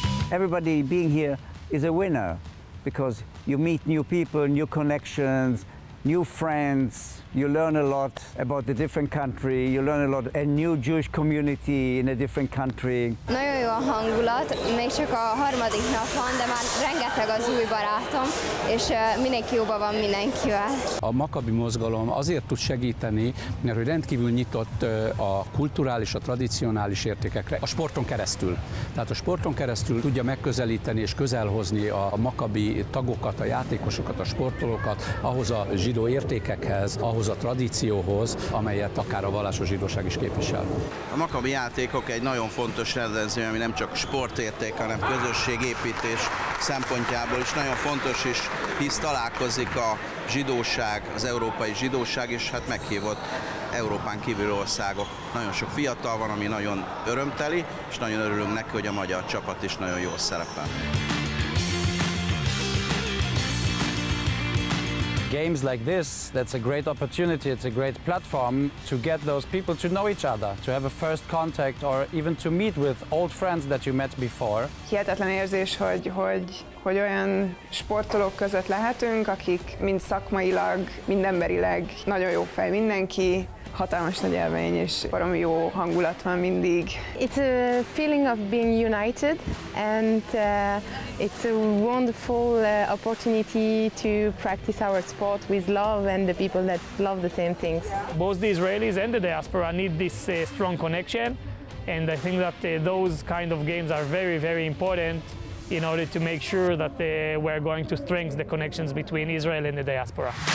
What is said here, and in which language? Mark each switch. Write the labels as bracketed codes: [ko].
[en] Everybody being here is a winner, because you meet new people, new connections, new friends, You learn a lot about the different country, you learn a lot a new Jewish community in a different country. [hu] Nagyon jó a hangulat, még csak a harmadik nap van, de már rengeteg az új barátom, és mindenki jóban van mindenkivel. A Maccabi mozgalom azért tud segíteni, mert hogy rendkívül nyitott a kulturális, a tradicionális értékekre a sporton keresztül. Tehát a sporton keresztül tudja megközelíteni és közelhozni a Maccabi tagokat, a játékosokat, a sportolókat ahhoz a zsidó értékekhez, ahhoz a tradícióhoz, amelyet akár a vallásos zsidóság is képvisel. A Maccabi játékok egy nagyon fontos rendezvény, ami nem csak sportérték, hanem közösségépítés szempontjából is nagyon fontos, és hisz találkozik a zsidóság, az európai zsidóság, és hát meghívott Európán kívül országok. Nagyon sok fiatal van, ami nagyon örömteli, és nagyon örülünk neki, hogy a magyar csapat is nagyon jól szerepel. [en] Games like this, that's a great opportunity, it's a great platform to get those people to know each other, to have a first contact or even to meet with old friends that you met before. [hu] Hihetetlen érzés, hogy olyan sportolók között lehetünk, akik mind szakmailag, mind emberileg nagyon jó fej mindenki. Hatalmas nagy élmény és baromi jó hangulat van mindig. [en] It's a feeling of being united and it's a wonderful opportunity to practice our sport with love and the people that love the same things. Both the Israelis and the diaspora need this strong connection, and I think that those kind of games are very, very important in order to make sure that we're going to strengthen the connections between Israel and the diaspora.